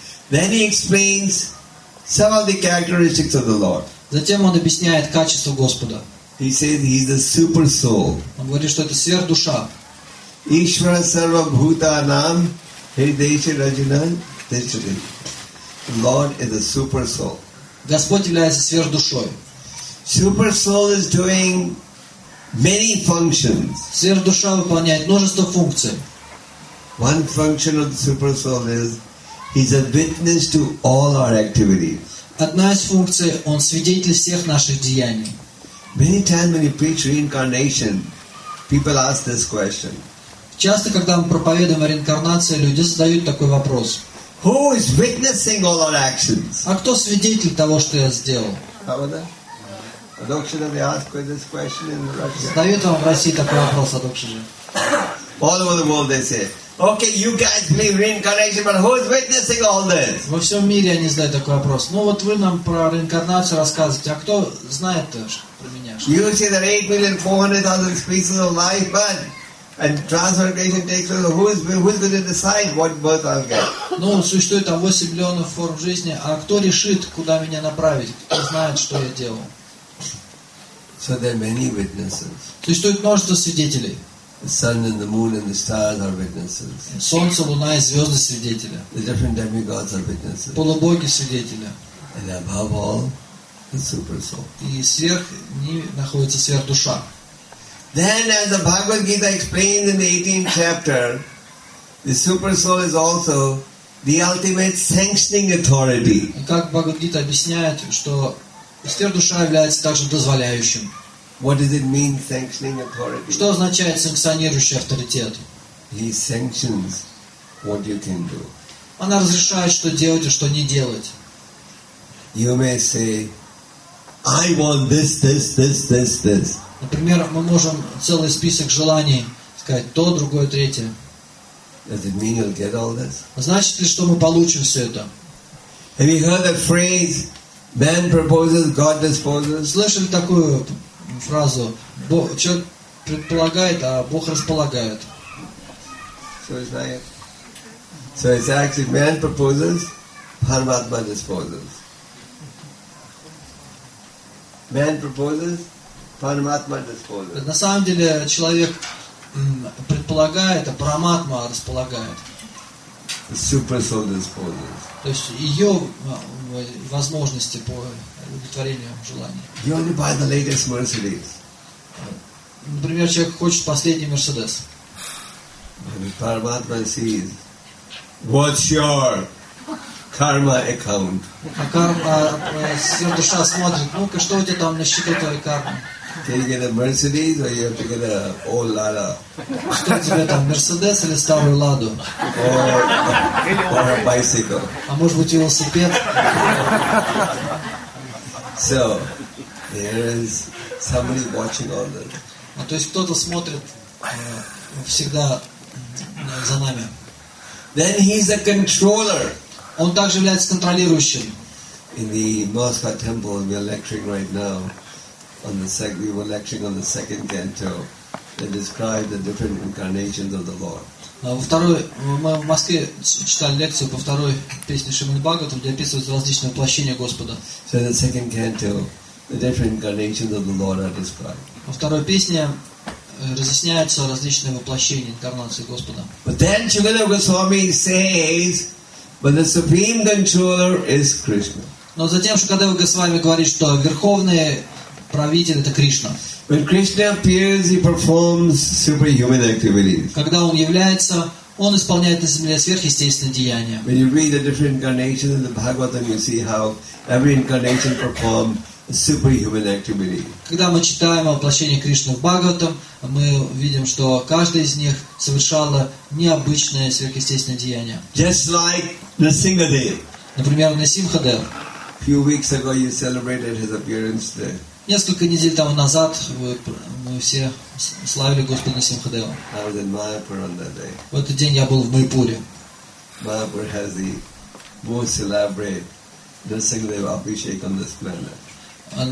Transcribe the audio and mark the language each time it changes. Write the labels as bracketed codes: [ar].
[en] Then he explains some of the characteristics of the Lord. [ru] Затем он объясняет качество Господа. [en] He says he is the super soul. [ru] Он говорит, что это сверхдуша. [sa] Ishvara sarva bhuta nam hridayesha rajanam tishtati. [en] Lord is the super soul. [ru] Господь является сверхдушой. [en] Super soul is doing many functions. [ru] Сверхдуша выполняет множество функций. [en] One function of the super soul is he's a witness to all our activities. [ru] Одна из функций, он свидетель всех наших деяний. [en] Many times when you preach reincarnation, people ask this question. [ru] Часто, когда мы проповедуем о реинкарнации, люди задают такой вопрос. [en] Who is witnessing all our actions? [ru] А кто свидетель того, что я сделал? [en] Adokshita, they ask this question in Russia. [ru] Задают вам в России такой вопрос, Адокшиджи. [en] All over the world they say. Okay, you guys believe reincarnation, but who is witnessing all this? [ru] Во всем мире они задают такой вопрос. Ну вот вы нам про реинкарнацию рассказываете, а кто знает то, что про меня? [en] You say that 8,400,000 species of life, but and transmigration takes place. Who is going to decide what birth I'll get? [ru] Ну, существует там 8 миллионов форм жизни, а кто решит, куда меня направить? Кто знает, что я делал? [en] So there are many witnesses. [ru] Существует множество свидетелей. [en] The sun and the moon and the stars are witnesses. [ru] Солнце, луна и звезды свидетели. [en] The different demigods are witnesses. [ru] Полубоги свидетели. [en] And above all, the super soul. [ru] И сверх них находится сверхдуша. [en] Then, as the Bhagavad Gita explained in the 18th chapter, the super soul is also the ultimate sanctioning authority. [ru] Как Бхагавад Гита объясняет, что сверхдуша является также дозволяющим. [en] What does it mean, sanctioning authority? [ru] Что означает санкционирующий авторитет? [en] He sanctions what you can do. [ru] Она разрешает, что делать и что не делать. [en] You may say, I want this, this, this, this, this. [ru] Например, мы можем целый список желаний сказать то, другое, третье. [en] Does it mean you'll get all this? [ru] Значит ли, что мы получим все это? [en] Have you heard the phrase, man proposes, God disposes? [ru] Слышали такую фразу? Бог, человек предполагает, а Бог располагает. [en] So it's actually man proposes, Paramatma disposes. Man proposes, Paramatma disposes. [ru] На самом деле человек предполагает, а Параматма располагает. [en] Super soul disposes. [ru] То есть ее возможности по удовлетворению желаний. [en] You only buy the latest Mercedes. [ru] Например, человек хочет последний Мерседес. [en] Paramatma sees, what's your karma account? [ru] А карма, все душа смотрит, ну-ка, что у тебя там на счету твоей кармы? [en] Can you get a Mercedes or you have to get an old Lada? [ru] Что тебе там, Mercedes или старую Ладу? [en] Or a bicycle. [ru] А может быть велосипед? [en] So, there is somebody watching all that. [ru] А то есть кто-то смотрит всегда за нами. [en] Then he's a controller. [ru] Он также является контролирующим. [en] In the Moscow temple, we're lecturing right now. We were lecturing on the second canto that describes the different incarnations of the Lord. [ru] Мы в Москве читали лекцию по второй песне Шримад Бхагаватам, где описывается различные воплощения Господа. [en] So in the second canto, the different incarnations of the Lord are described. [ru] Во второй песне разъясняются различные воплощения инкарнации Господа. [en] But then Chaitanya Goswami says, but the supreme controller is Krishna. [ru] Но затем Шукадева Госвами говорит, что верховные правитель — это Кришна. [en] When Krishna appears, he performs superhuman activities. [ru] Когда он является, он исполняет на земле сверхъестественные деяния. [en] When you read the different incarnations in the Bhagavatam, you see how every incarnation performed superhuman activity. [ru] Когда мы читаем о воплощении Кришны в Бхагаватам, мы видим, что каждый из них совершало необычное сверхъестественное деяние. [en] Just like the Singhadev. [ru] Например, Насимхадев. [en] Few weeks ago, you celebrated his appearance there. [ru] Несколько недель тому назад мы все славили Господа Симхадева. [en] I was in Mayapur on that day. [ru] В этот день я был в Майпуре. [en] Mayapur has the most elaborate Nrsimhadeva Abhishek on this planet.